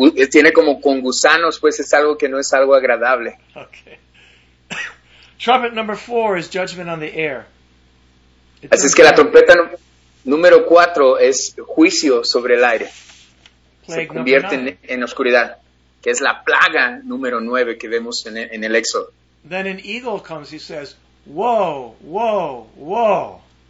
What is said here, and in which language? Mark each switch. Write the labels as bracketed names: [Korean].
[Spanish] tiene como con gusanos, pues es algo que no es algo agradable. Okay. [English] Trumpet number 4 is judgment on the air. [Spanish] Así es que la trompeta número 4 es juicio sobre el aire. [English] Plague [Spanish] se convierte en oscuridad, que es la plaga número 9 que vemos en el Éxodo. [English] Then an eagle comes, he says, whoa, whoa, whoa.